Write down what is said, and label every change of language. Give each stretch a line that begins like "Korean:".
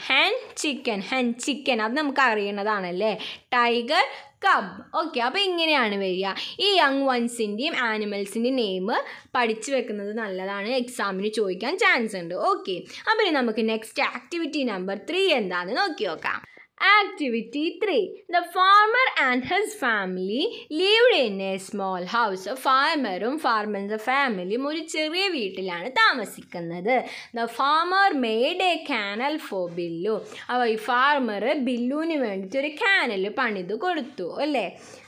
Malayalam: Hen chicken, അത് നമുക്ക് അറിയണതാണല്ലേ. Tiger, കബ്. Okay, അപ്പോൾ ഇങ്ങനെയാണ് വരിക. ഈ യങ് വൺസിൻ്റെയും ആനിമൽസിൻ്റെയും നെയിം പഠിച്ച് വെക്കുന്നത് നല്ലതാണ്, എക്സാമിന് ചോദിക്കാൻ ചാൻസ് ഉണ്ട്. ഓക്കെ, അപ്പോൾ ഇനി നമുക്ക് നെക്സ്റ്റ് ആക്ടിവിറ്റി നമ്പർ 3 എന്താണെന്ന് നോക്കി നോക്കാം.
English: Activity 3. The farmer and his family lived in a small house.
Malayalam: A farmerum, farmer's family, ഒരു ചെറിയ വീട്ടിലാണ് താമസിക്കുന്നത്.
English: The farmer made a canal for Billu.
Malayalam: അപ്പോൾ ഈ ഫാർമർ ബില്ലുവിന് വേണ്ടിയിട്ട് ഒരു കാനൽ പണിത് കൊടുത്തു അല്ലേ.